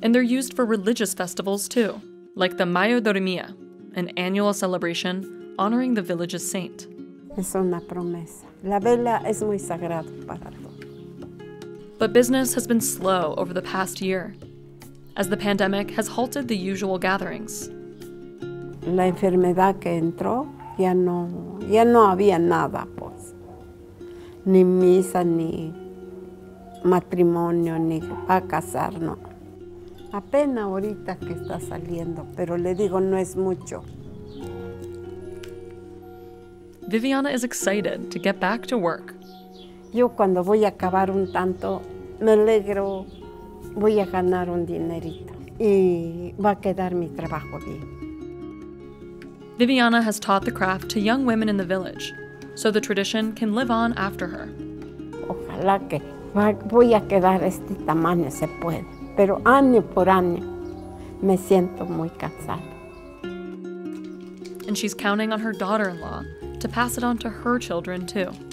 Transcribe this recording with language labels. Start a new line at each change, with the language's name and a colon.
English: And they're used for religious festivals too, like the Mayo Dormia, an annual celebration honoring the village's saint.
Spanish: Es una promesa. La vela es muy sagrada para todos.
English: But business has been slow over the past year, as the pandemic has halted the usual gatherings.
Spanish: La enfermedad que entró, ya no había nada, pues. Ni misa, ni matrimonio, ni a casar, no. Apenas ahorita que está saliendo, pero le digo, no es mucho.
English: Viviana is excited to get back to work.
Spanish: Yo cuando voy a acabar un tanto, me alegro. Voy a ganar un dinerito y va a quedar mi trabajo bien.
English: Viviana has taught the craft to young women in the village, so the tradition can live on after her.
Spanish: Ojalá que voy a quedar tamaño se puede, pero año por año me siento muy cansada.
English: And she's counting on her daughter-in-law to pass it on to her children too.